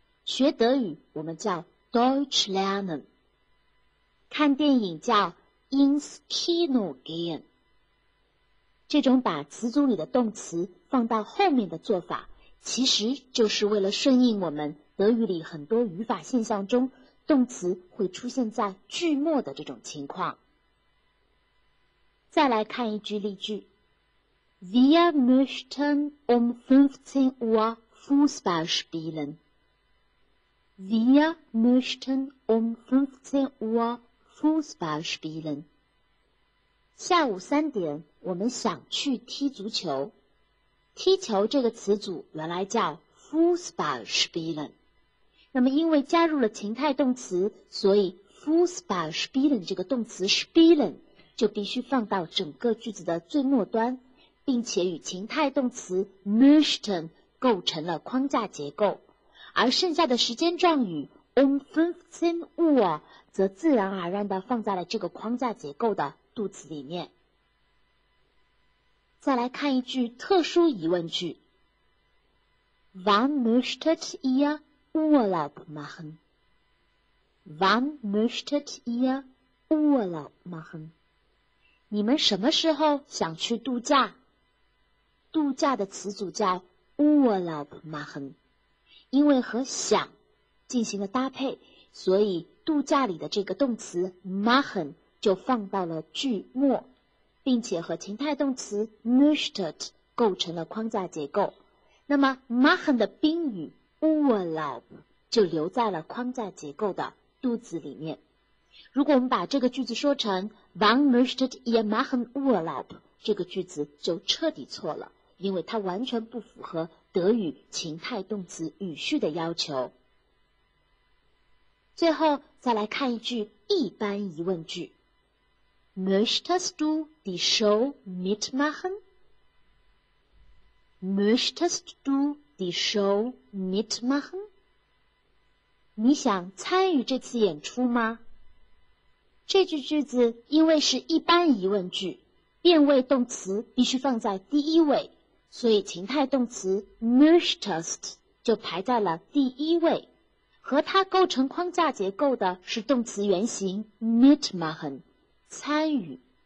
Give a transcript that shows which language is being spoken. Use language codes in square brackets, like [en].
[zh] 学德语我们叫 [de] Deutsch Lernen， [zh] 看电影叫 [de] ins Kino gehen。 [zh] 这种把词组里的动词放到后面的做法，其实就是为了顺应我们德语里很多语法现象中动词会出现在句末的这种情况。再来看一句例句， [de] Wir möchten um 15 Uhr Fußball spielen。 Wir möchten um 15 Uhr Fußball spielen。 [zh] 下午三点我们想去踢足球。踢球这个词组原来叫 Fußball spielen， 那么因为加入了情态动词，所以 Fußball spielen 这个动词 spielen就必须放到整个句子的最末端，并且与情态动词 möchten 构成了框架结构。而剩下的时间状语 um 15 Uhr 则自然而然地放在了这个框架结构的肚子里面。再来看一句特殊疑问句， [de] Wann möchtet ihr Urlaub machen? Wann möchtet ihr Urlaub machen? [zh] 你们什么时候想去度假？度假的词组叫 Urlaub machen， 因为和想进行了搭配，所以度假里的这个动词 machen 就放到了句末，并且和情态动词 möchtet 构成了框架结构。那么 machen 的宾语 Urlaub 就留在了框架结构的肚子里面。如果我们把这个句子说成 [de] Wann möchtet ihr machen Urlaub， [zh] 这个句子就彻底错了，因为它完全不符合德语情态动词语序的要求。最后再来看一句一般疑问句， [de] Möchtest du die Show mitmachen? Möchtest du die Show mitmachen? [zh] 你想参与这次演出吗？这句句子因为是一般疑问句，变位动词必须放在第一位，所以情态动词 möchtest 就排在了第一位。和它构成框架结构的是动词原形 mitmachen 参与。